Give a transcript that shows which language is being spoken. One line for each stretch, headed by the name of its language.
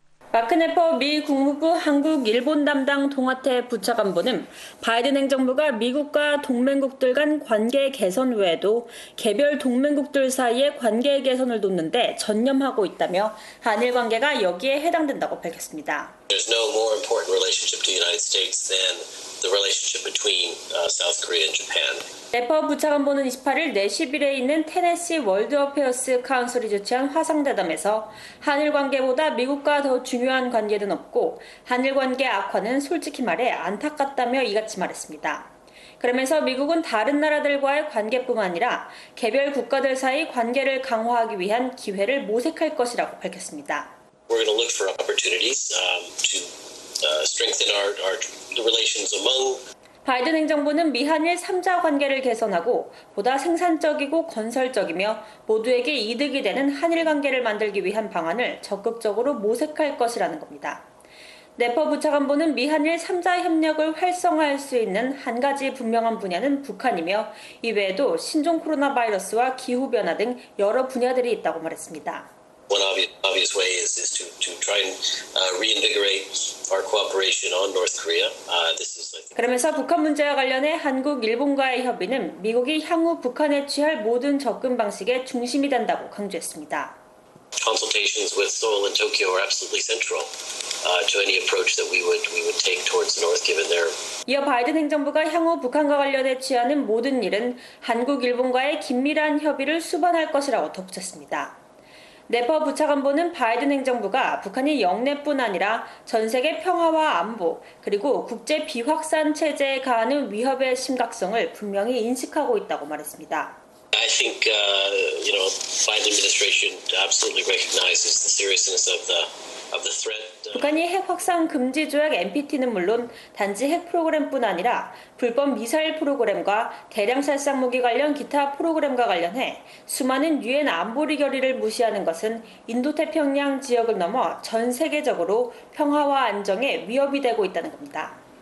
Korean: 마크네퍼 미 국무부 한국-일본담당 동아태 부차관보는 바이든 행정부가 미국과 동맹국들 간 관계 개선 외에도 개별 동맹국들 사이의 관계 개선을 돕는 데 전념하고 있다며 한일 관계가 여기에 해당된다고 밝혔습니다.
English: There's no more important relationship to the United States than the relationship between South Korea and Japan.
Korean: 네퍼 부차관보는 28일 내시빌에 있는 테네시 월드 어페어스 카운슬이 주최한 화상대담에서 한일 관계보다 미국과 더 중요한 관계는 없고 한일 관계 악화는 솔직히 말해 안타깝다며 이같이 말했습니다. 그러면서 미국은 다른 나라들과의 관계뿐만 아니라 개별 국가들 사이 관계를 강화하기 위한 기회를 모색할 것이라고 밝혔습니다.
English: We're going to look for opportunities to strengthen our relations among
Korean: 바이든 행정부는 미한일 3자 관계를 개선하고 보다 생산적이고 건설적이며 모두에게 이득이 되는 한일 관계를 만들기 위한 방안을 적극적으로 모색할 것이라는 겁니다. 네퍼 부차관보는 미한일 3자 협력을 활성화할 수 있는 한 가지 분명한 분야는 북한이며 이외에도 신종 코로나 바이러스와 기후변화 등 여러 분야들이 있다고 말했습니다.
English: One obvious way is to try and reinvigorate our cooperation on North Korea. This is like.
Korean: 그러면서 북한 문제와 관련해 한국 일본과의 협의는 미국이 향후 북한에 취할 모든 접근 방식의 중심이 된다고 강조했습니다.
English: Consultations with Seoul and Tokyo are absolutely central to any approach that we would take towards the North, given their.
Korean: 이어 바이든 행정부가 향후 북한과 관련해 취하는 모든 일은 한국 일본과의 긴밀한 협의를 수반할 것이라고 덧붙였습니다. 네퍼 부차관보는 바이든 행정부가 북한이 영내뿐 아니라 전 세계 평화와 안보 그리고 국제 비확산 체제에 가하는 위협의 심각성을 분명히 인식하고 있다고 말했습니다.
English: I think you know Biden administration absolutely recognizes the seriousness of the threat.
Korean: 북한이 핵 확산 금지 조약 NPT는 물론 단지 핵 프로그램뿐 아니라 불법 미사일 프로그램과 대량 살상 무기 관련 기타 프로그램과 관련해 수많은 유엔 안보리 결의를 무시하는 것은 인도태평양 지역을 넘어 전 세계적으로 평화와 안정에 위협이 되고 있다는 겁니다.